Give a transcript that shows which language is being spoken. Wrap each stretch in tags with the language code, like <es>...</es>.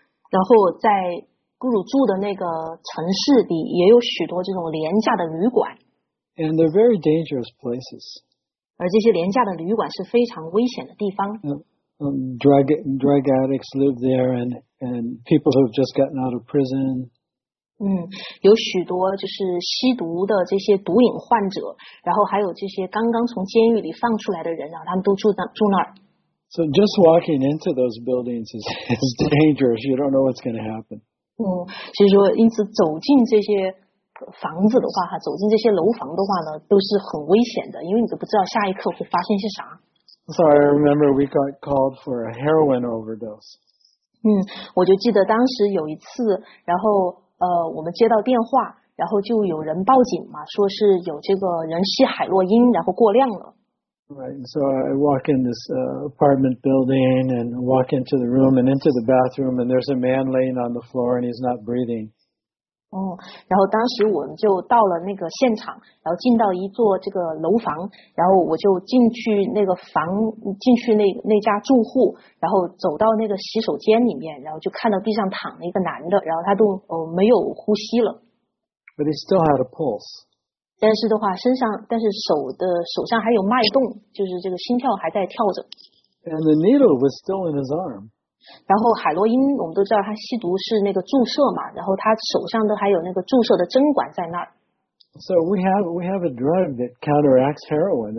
<zh>然后在咕噜住的那个城市里也有许多这种廉价的旅馆。</zh> <en>And they're very dangerous places.</en> <zh>而这些廉价的旅馆是非常危险的地方。</zh> <en>Drug addicts live there, and people who have just gotten out of prison.</en> <zh>有许多就是吸毒的这些毒瘾患者，然后还有这些刚刚从监狱里放出来的人，然后他们都住那儿。</zh> <en>So just walking into those buildings is dangerous. You don't know what's going to happen.</en> <zh>所以说，因此走进这些房子的话，哈，走进这些楼房的话呢，都是很危险的，因为你都不知道下一刻会发现些啥。</zh> <en>So I remember we got called for a heroin overdose.</en> <zh>我就记得当时有一次，然后我们接到电话，然后就有人报警嘛，说是有这个人吸海洛因，然后过量了。</zh> <en>Right. So I walk in this apartment building and walk into the room and into the bathroom and there's a man laying on the floor and he's not breathing.</en> <zh>然后当时我们就到了那个现场，然后进到一座这个楼房，然后我就进去那家住户，然后走到那个洗手间里面，然后就看到地上躺了一个男的，然后他都没有呼吸了。</zh> <en>But he still had a pulse.</en> <zh>但是的话，但是手上还有脉动，就是这个心跳还在跳着。</zh> <en>And the needle was still in his arm.</en> <zh>然后海洛因我们都知道他吸毒是那个注射嘛，然后他手上都还有那个注射的针管在那儿。</zh> <en>So we have a drug that counteracts heroin.</en>